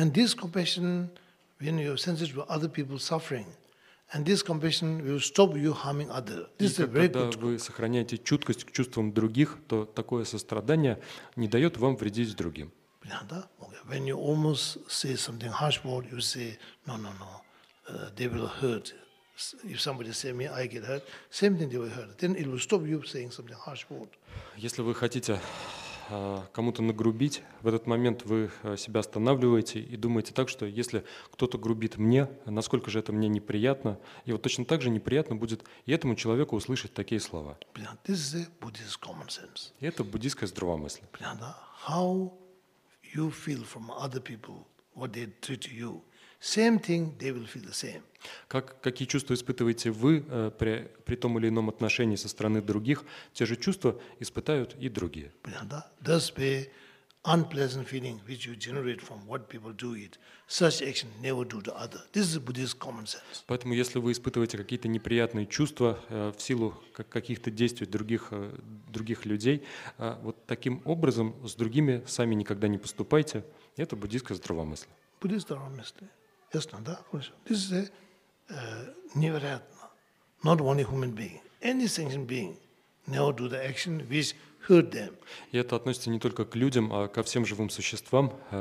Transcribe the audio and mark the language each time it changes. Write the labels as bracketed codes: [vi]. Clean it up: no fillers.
[en] And this compassion, when you're sensitive to other people's suffering, and this compassion will stop you harming others. This is a very good. [ru] Когда вы сохраняете чуткость к чувствам других, то такое сострадание не дает вам вредить другим. [en] When you almost say something harsh word, you say no, they will hurt. If somebody say me, I get hurt. Same thing they will hurt. Then it will stop you saying something harsh word. [ru] Если вы хотите кому-то нагрубить, в этот момент вы себя останавливаете и думаете так, что если кто-то грубит мне, насколько же это мне неприятно, и вот точно так же неприятно будет и этому человеку услышать такие слова. [en] This is a Buddhist common sense. [ru] И это буддийское здравомыслие. [en] How you feel from other people, what they treat you, same thing they will feel the same. [ru] Какие чувства испытываете вы при том или ином отношении со стороны других, те же чувства испытают и другие. Понятно? [en] Thus be unpleasant feeling which you generate from what people do it. Such action never do to other. This is Buddhist common sense. [ru] Поэтому если вы испытываете какие-то неприятные чувства в силу каких-то действий других людей, вот таким образом с другими сами никогда не поступайте. Это буддийское здравомыслие. Буддийское здравомыслие. Ясно, да? [en] This is невероятно. Not only human being. Any sentient being never do the action which hurt them. [ru] И это относится не только к людям, а ко всем живым существам.